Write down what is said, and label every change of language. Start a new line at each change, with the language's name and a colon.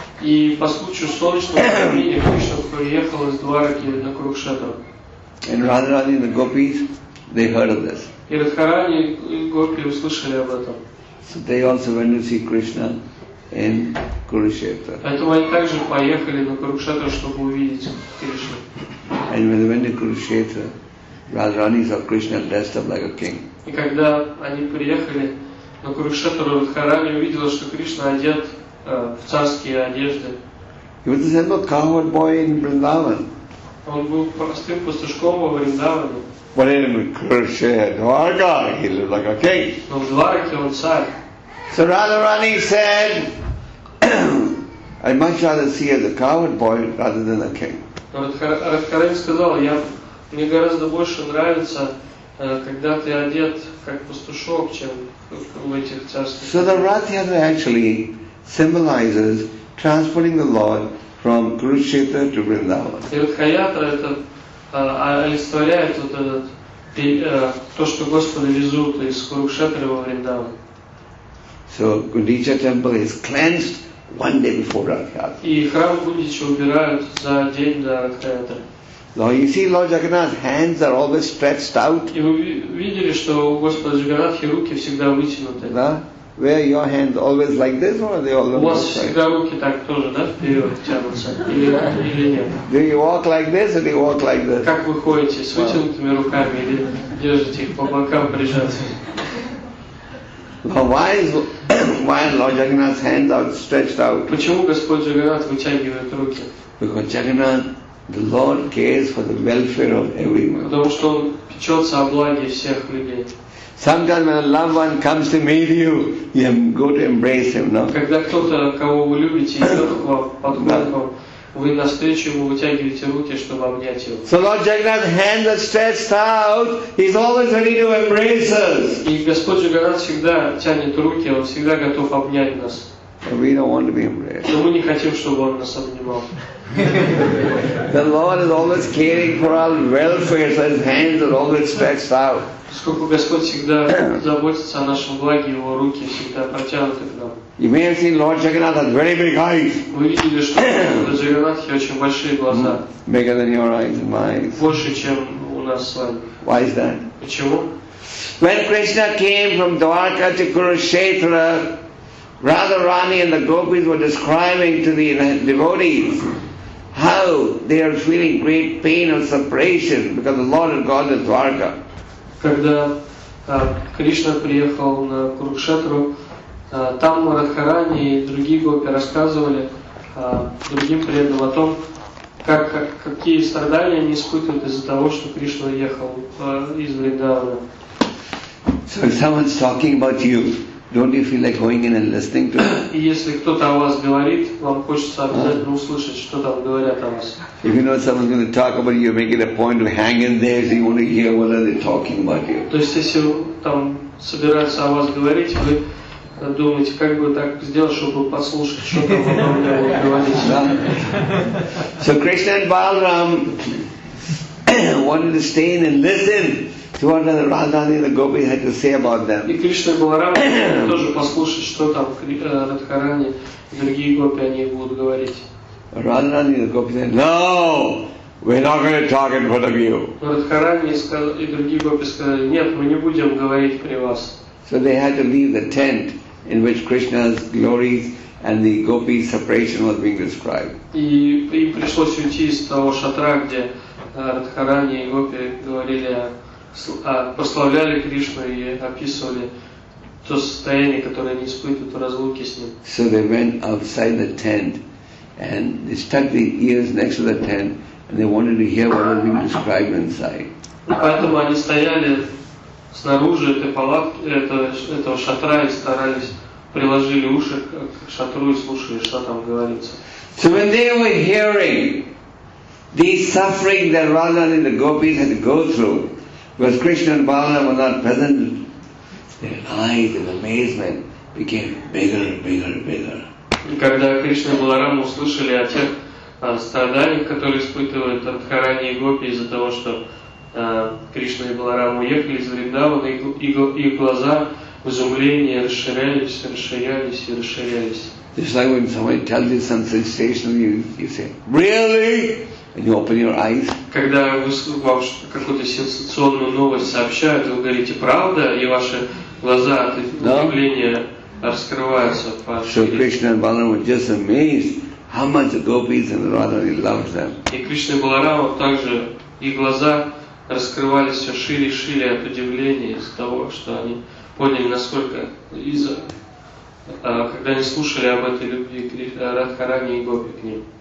Russian: И по случаю солнечного затмения Кришна приехал из Двараки на Курукшетру.
English: And Radharani and the gopis, they heard of this.
Russian: И Радхарани и гопи услышали об этом.
English: So they also went to see Krishna in Kurukshetra.
Russian: Поэтому они также поехали на Курукшетру, чтобы увидеть Кришну.
English: And when they went to Kurukshetra, Radharani saw Krishna dressed up like a king.
Russian: И когда они приехали на Курукшетру, Радхарани увидела, что Кришна одет в царские одежды.
English: He was a simple cowherd boy in Vrindavan.
Russian: Он был простым пастушком во Вриндаване.
English: But in Kurukshetra, Dwarka, he lived like a king.
Russian: Но в Двараке он царь.
English: So Radharani said, I much rather see as a coward boy rather than a king.
Russian: Радхарани сказал, мне гораздо больше нравится, когда ты одет как пастушок, чем в этих царских.
English: So the Rath Yatra actually symbolizes transporting the Lord from Kurukshetra to Vrindavan.
Russian: И Ратха Ятра это олицетворяет вот этот то, что Господа везут из Курукшетры во Вриндаван.
English: So Gudicha temple is cleansed one day before Rath Yatra.
Russian: И храм Гудича убирают за день до Рath Yatra.
English: Now you see Lord Jagannath's hands are always stretched out.
Russian: И вы видели, что у Господа Джагнатхи руки всегда вытянуты. Да?
English: Where your hands always like this or are they all the
Russian: У вас всегда руки так тоже, да, вперед тянутся? Или нет?
English: Do you walk like this or do you walk like this?
Russian: Как вы ходите, с вытянутыми руками или держите их по бокам прижатыми?
English: Now why Lord Jagannath's hands are stretched out?
Russian: Почему Господь Джагнатх вытягивает руки?
English: Because Jagannath, the Lord cares for the welfare of everyone.
Russian: Потому что он печется о благе всех людей.
English: Sometimes when a loved one comes to meet you, you go to embrace him, no?
Russian: Когда кто-то, кого вы любите, идет к вам, подходит к вам, Вы настойчиво вытягиваете руки, чтобы обнять его.
English: So Lord Jagannath's hand that's stretched out, he's always ready to embrace us.
Russian: И Господь Джаганнат всегда тянет руки, он всегда готов обнять нас.
English: We don't want to be embraced.
Russian: Но мы не хотим, чтобы он нас обнимал.
English: The Lord is always caring for our welfare, so his hands are always stretched out.
Russian: Поскольку Господь всегда заботится о нашем благе, его руки всегда протянуты к нам.
English: You may have seen Lord Jagannath has very big eyes.
Russian: Вы видели, что
English: Lord Jagannath has
Russian: очень большие глаза.
English: Bigger than your eyes, mine.
Russian: Больше, чем у нас с вами.
English: Why is that?
Russian: Почему?
English: When Krishna came from Dwarka to Kurukshetra, Radharani and the gopis were describing to the devotees how they are feeling great pain of separation because the Lord had gone to Dwarka.
Russian: Когда Кришна приехал на Курукшетру, там Радхарани и другие гопи рассказывали другим преданным о том, какие страдания они испытывают из-за того, что Кришна ехал из Вриндавана.
English: So if someone's talking about you, don't you feel like going in and listening to them?
Russian: Если кто-то о вас говорит, вам хочется обязательно услышать, что там говорят о вас.
English: If you know someone's going to talk about you, make it a point to hang in there, so you want to hear what are they talking about you.
Russian: То есть если там собираются о вас говорить, вы думаете, как бы так сделать, чтобы послушать, что там вам говорить?
English: So Krishna and Balram wanted to stay in and listen. To what the Radhani and the Gopi had to say about them.
Russian: И Кришна Баларам тоже послушать, что там Радхарани и другие гопи о них будут говорить.
English: Радхарани and the Gopi said, "No, we're not going to talk in front of you."
Russian: Но Радхарани и другие гопи сказали, нет, мы не будем говорить при вас.
English: So they had to leave the tent in which Krishna's glories and the Gopi's separation was being described.
Russian: И им пришлось уйти из того шатра, где Радхарани и гопи говорили о прославляли Кришну и описывали то состояние, которое они испытывают в разлуке с ним.
English: So they went outside the tent and they stuck their ears next to the tent and they wanted to hear what was being described inside.
Russian: Поэтому они стояли снаружи этой палатки, этого шатра и старались, приложили уши к шатру и слушали, что там говорится.
English: So when they were hearing the suffering that Radhani and the gopis had to go through, because Krishna and Balaram were not present, their eyes in amazement became bigger and bigger and bigger.
Russian: Когда Кришна и Баларам услышали о тех страданиях, которые испытывают Радхарани и гопи из-за того, что Кришна и Баларам уехали из Вриндавана, их глаза в изумлении расширялись.
English: It's like when someone tells you some sensational news, you say, "Really?" And you open your eyes.
Russian: Когда вам какую-то сенсационную новость сообщают, вы говорите правда, и ваши глаза от удивления раскрываются.
English: So Krishna and Balaram were just amazed how much the gopis and Radhani loved them.
Russian: И Кришна и Баларама также их глаза раскрывались все шире и шире от удивления из-за того, что они поняли, насколько из-за когда они слушали об этой любви Радхарани и гопи к ним.